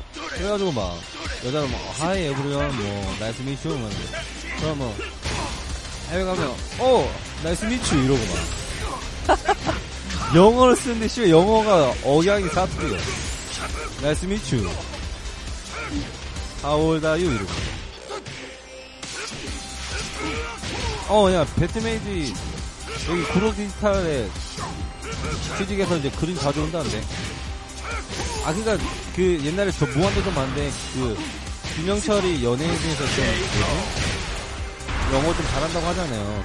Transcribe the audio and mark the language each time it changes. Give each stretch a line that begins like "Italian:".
Korean: 그래가지고 막 여자는 막
English: 하이 에브리원
Korean: 뭐 나이스 미츄 뭐 그럼 뭐 해외 가면
English: 오 나이스 미츄
Korean: 이러고 막 영어를 쓰는데 씨 영어가 억양이 사투리야.
English: 나이스 미츄 How old are you?
Korean: 이러고 어 야 배트메이드 여기 구로 디지털에 취직해서 이제 그림 가져온다는데. 아, 그니까 그 옛날에 저 무한도전 봤는데 그 김영철이 연예인 중에서 좀 영어 좀 잘한다고 하잖아요.